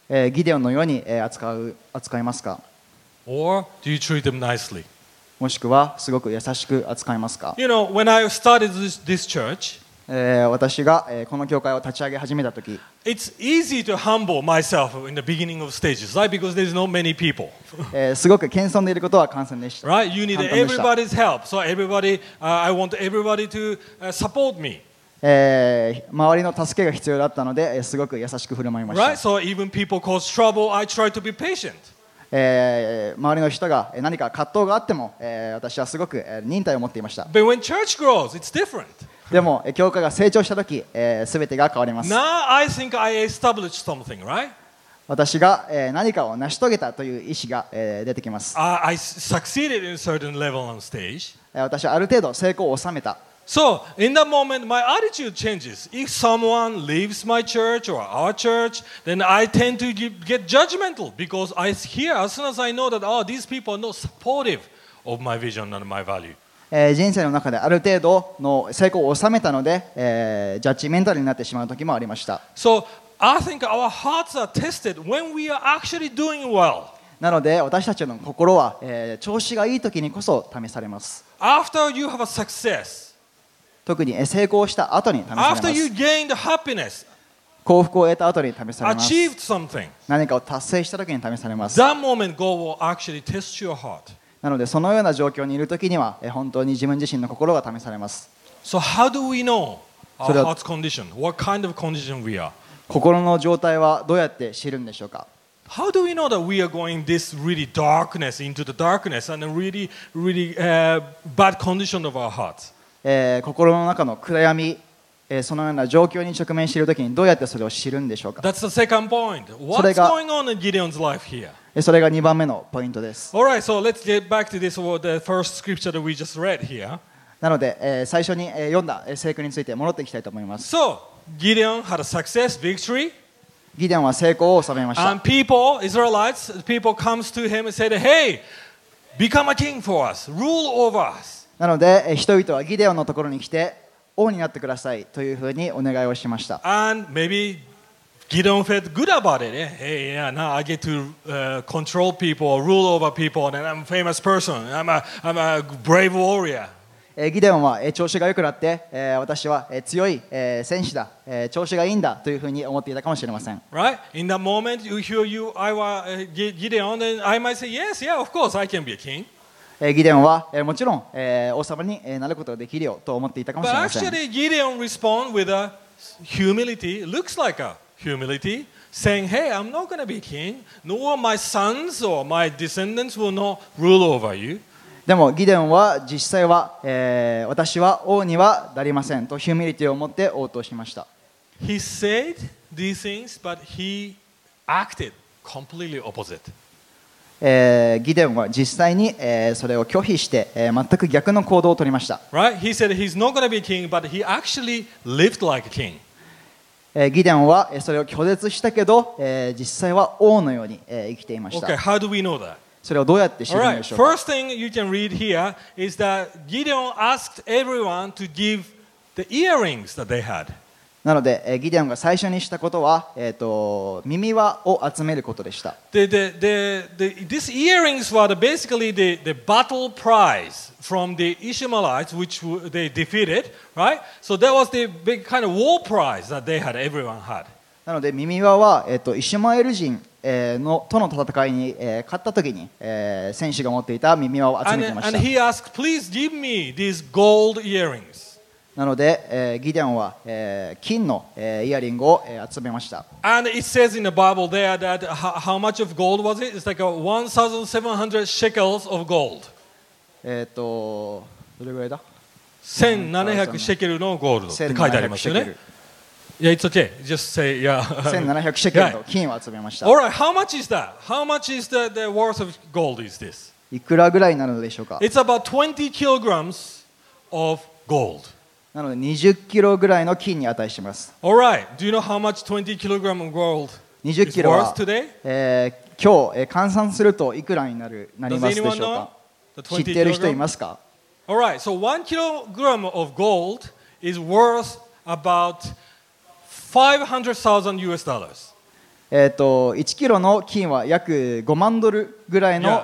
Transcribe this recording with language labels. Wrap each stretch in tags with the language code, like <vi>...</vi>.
<ja>ギデオンのように扱いますか。</ja> <en>Or do you treat them nicely?</en> <ja>もしくはすごく優しく扱いますか。</ja> <en>You know, when I started this church,</en> <ja>私がこの教会を立ち上げ始めたとき、</ja> <en>It's easy to humble myself in the beginning of stages, right? Because there's not many people.</en> <ja>すごく謙遜でいることは簡単でした。</ja> <en>Right? You need everybody's help. So everybody, I want everybody to support me.</en> <ja>周りの助けが必要だったので、すごく優しく振る舞いました。</ja> <en>Right, so even people cause trouble, I try to be patient.</en> <ja>周りの人が何か葛藤があっても、私はすごく忍耐を持っていました。</ja> <en>But when church grows, it's different.</en> <ja>でも教会が成長した時、全てが変わります。</ja> <en>Now I think I established something, right?</en> <ja>私が何かを成し遂げたという意思が出てきます。</ja> <en>I succeeded in a certain level on stage.</en> <ja>私はある程度成功を収めた。</ja> <en>So, in that moment, my attitude changes. If someone leaves my church or our church, then I tend to get judgmental because I hear as soon as I know that, oh, these people are not supportive of my vision and my value.</en> <ja>人生の中である程度の成功を収めたので、ジャッジメンタルになってしまう時もありました。</ja> <en>So, I think our hearts are tested when we are actually doing well.</en> <ja>なので私たちの心は、調子がいい時にこそ試されます。</ja> <en>After you have a success,</en> <ja>特に成功した後に試されます。</ja> <en>After you gained happiness,</en> <ja>幸福を得た後に試されます。</ja> <en>Achieved something,</en> <ja>何かを達成した時に試されます。</ja> <en>That moment God will actually test your heart.</en> <ja>なのでそのような状況にいる時には、本当に自分自身の心が試されます。</ja> <en>So how do we know our heart's condition? What kind of condition we are?</en> <ja>心の状態はどうやって知るんでしょうか。</ja> <en>How do we know that we are going this really darkness into the darkness and a really, really bad condition of our hearts?</en> <ja>心の中の暗闇、そのような状況に直面しているときにどうやってそれを知るんでしょうか。</ja> <en>That's the second point. What's going on in Gideon's life here?</en> <ja>それが2番目のポイントです。</ja> <en>All right, so let's get back to this the first scripture that we just read here.</en> <ja>なので、最初に読んだ聖句について戻っていきたいと思います。</ja> <en>So, Gideon had a success, victory.</en> <ja>ギデオンは成功を収めました。</ja> <en>And people, Israelites, people comes to him and said, "Hey, become a king for us, rule over us."</en> <ja>なので人々はギデオンのところに来て王になってくださいというふうにお願いをしました。</ja> <en>And maybe Gideon felt good about it. Hey, yeah, now I get to control people, rule over people, and I'm a famous person. I'm a brave warrior.</en> <ja>ギデオンは調子が良くなって、私は強い戦士だ、調子がいいんだというふうに思っていたかもしれません。</ja> <en>Right? In that moment, you hear you, I was Gideon, and I might say, yes, yeah, of course, I can be a king.</en> <ja>ギデオンはもちろん王様になることができるよと思っていたかもしれません。</ja> <en>But actually, Gideon respond with a humility, looks like a humility, saying, hey, I'm not going to be king, nor my sons or my descendants will not rule over you.</en> <ja>でもギデオンは実際は、私は王にはなりませんとヒューミリティを持って応答しました。</ja> <en>He said these things, but he acted completely opposite.</en> <ja>ギデオンは実際に、それを拒否して、全く逆の行動を取りました。</ja> <en>Right? He said he's not going to be king, but he actually lived like a king.</en> <ja>ギデオンはそれを拒絶したけど、実際は王のように、生きていました。</ja> <en>Okay, how do we know that?</en> <ja>それをどうやって知るんでしょうか。</ja> <en>Alright, first thing you can read here is that Gideon asked everyone to give the earrings that they had.</en> <ja>なので、ギデオンが最初にしたことは、耳輪を集めることでした。</ja> <en>These earrings were basically the battle prize from the Ishmaelites, which they defeated, right? So that was the big kind of war prize that they had, everyone had.</en> <ja>なので、耳輪は、イシュマエル人との戦いに勝った時に戦士が持っていた耳輪を集めていました。</ja> <en>And he asked, please give me these gold earrings.</en> <ja>なので、ギデオンは金のイヤリングを集めました。</ja> <en>And it says in the Bible there that how much of gold was it? It's like 1,700 shekels of gold.</en> <ja>どれぐらいだ ?1,700 シェケルのゴールドって書いてありますよね。</ja> <en>Yeah, it's okay. Just say, yeah. 1700 shekels of gold. All right, how much is that? How much is the worth of gold is this?</en> <ja>いくらぐらいなのでしょうか?</ja> <en>It's about 20 kilograms of gold.</en> <ja>なので20キロぐらいの金に値します。</ja> <en>All right, do you know how much 20 kilograms of gold is worth today?</en> <ja>20キロは、今日、換算するといくらになる、なりますでしょうか?</ja> <en>Does anyone know?</en> <ja>知っている人いますか?</ja> <en>All right, so 1 kilogram of gold is worth about 500,000 US dollars.</en> <ja>1キロの金は約5万ドルぐらいの</ja>